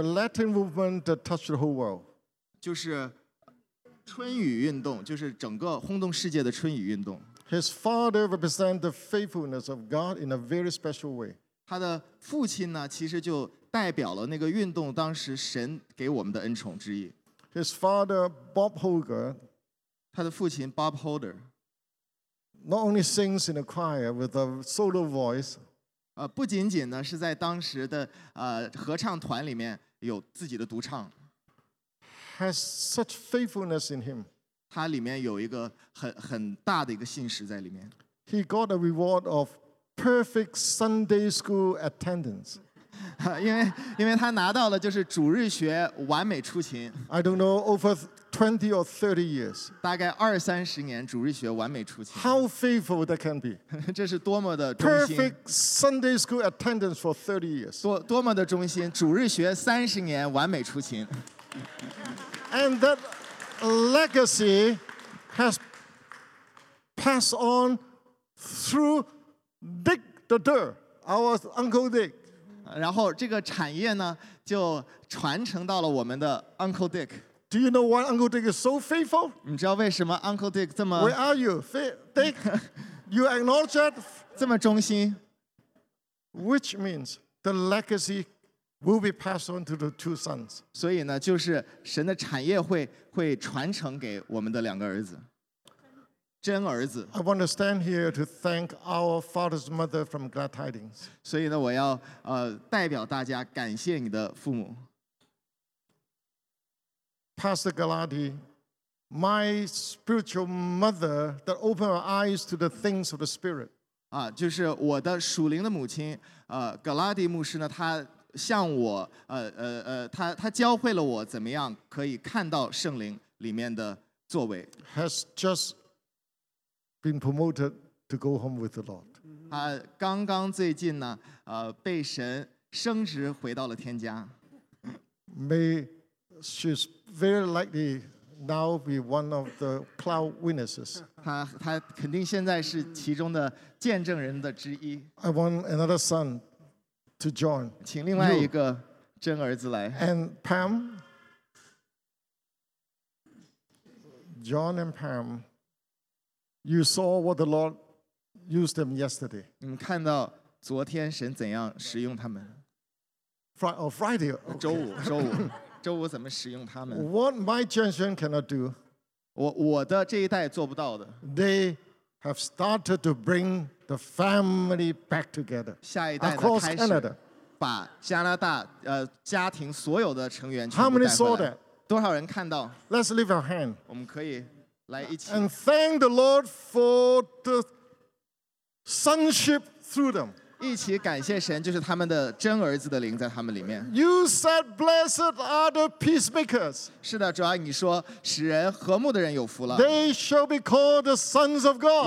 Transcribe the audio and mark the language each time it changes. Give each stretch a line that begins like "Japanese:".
English: The Latin movement that touched the whole world，
Chinese: 就是春雨运动，就是整个轰动世界的春雨运动。
English: His father represents the faithfulness of God in a very special way。
Chinese: 他的父亲呢，其实就代表了那个运动当时神给我们的恩宠之一。
English: His father, Bob Holder,
Chinese: 他的父亲 Bob Holder,
English: not only sings in a choir with a solo voice,
Chinese: 不仅仅呢是在当时的合唱团里面有自己的独唱，
English: has such faithfulness in him.
Chinese: 他里面有一个很大的一个信实在里面。
English: He got a reward of perfect Sunday school attendance.
Chinese: 因为他拿到了就是主日学完美出勤。
English: I don't know, over 20 or 30 years.
Chinese: 大概二三十年主日学完美出勤。
English: How faithful that can be.
Chinese: 这是多么的忠心。
English: Perfect Sunday school attendance for 30 years.
Chinese: 多么的忠心，主日学三十年完美出勤。
English: And that legacy has passed on through Dick the Dirt, our Uncle Dick.
Chinese: 然后这个产业呢就传承到了我们的 Uncle Dick.
English: Do you know why Uncle Dick is so faithful?
Chinese: 你知道为什么 Uncle Dick 这么
English: Where are you? Dick, you acknowledge that?
Chinese: 这么忠心。
English: Which means the legacy will be passed on to the two sons.
Chinese: 所以呢就是神的产业会传承给我们的两个儿子。真儿子。
English: I want to stand here to thank our father's mother from Glad Tidings.
Chinese: 所以呢，我要代表大家感谢你的父母。
English: Pastor Galati, my spiritual mother that opened her eyes to the things of the spirit.
Chinese: 就是我的属灵的母亲，Galati 牧师呢，她向我她教会了我怎么样可以看到圣灵里面的作为。
English: Has just been promoted to go home with the Lord.
Chinese: 他刚刚最近呢，被神升职回到了天家。
English: May she's very likely now be one of the cloud witnesses.
Chinese: 他肯定现在是其中的见证人的之一。
English: I want another son to join.
Chinese: 请另外一个真儿子来。
English: And Pam, John and Pam. You saw what the Lord used them yesterday.
Chinese: 你们看到昨天神怎样使用他们。
English: Friday.
Chinese: 周五怎么使用他们。
English: What my generation cannot do.
Chinese: 我的这一代做不到的。
English: They have started to bring the family back together.
Chinese: 下一代呢开始把加拿大家庭所有的成员全部带回来。
English: How many saw that?
Chinese: 多少人看到。
English: Let's lift our hand.
Chinese: 我们可以。
English: And thank the Lord for the sonship through them.
Chinese: 一起感谢神，就是他们的真儿子的灵在他们里面。
English: You said, "Blessed are the peacemakers."
Chinese: 是的，主要你说使人和睦的人有福了。
English: They shall be called the sons of God.